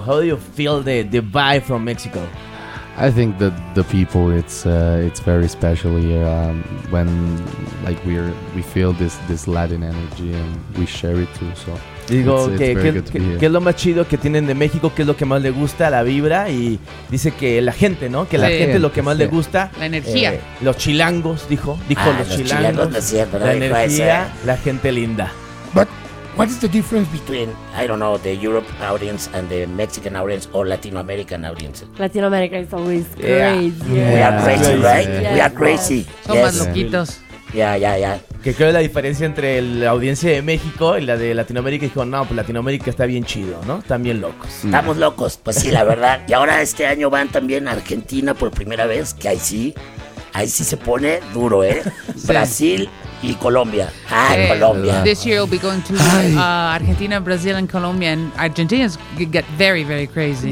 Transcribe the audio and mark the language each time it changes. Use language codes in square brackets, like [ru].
[en] How do you feel the vibe from Mexico? I think that the people, it's very special here. When like we feel this Latin energy and we share it too, so. [es] Digo, ¿qué es lo más chido que tienen de México? ¿Qué es lo que más le gusta? La vibra. Y dice que la gente, ¿no? Que la gente es lo que más le gusta. La energía. Los chilangos, dijo los chilangos. Los chilangos, la energía, la gente linda. [en] But what is the difference between, I don't know, the Europe audience and the Mexican audience or Latin American audience? Latin America is always crazy. Yeah. We are crazy, right? Yeah. We are crazy. [es] Son más loquitos. [en] Yeah. [es] Que creo que la diferencia entre la audiencia de México y la de Latinoamérica, dijo, no, pues Latinoamérica está bien chido, ¿no? Están bien locos. Estamos locos, pues sí, la verdad. Y ahora este año van también a Argentina por primera vez, que ahí sí se pone duro, ¿eh? Sí. Brasil y Colombia. Colombia. [en] This year we'll be going to Argentina, Brazil and Colombia, and Argentina's get very, very crazy.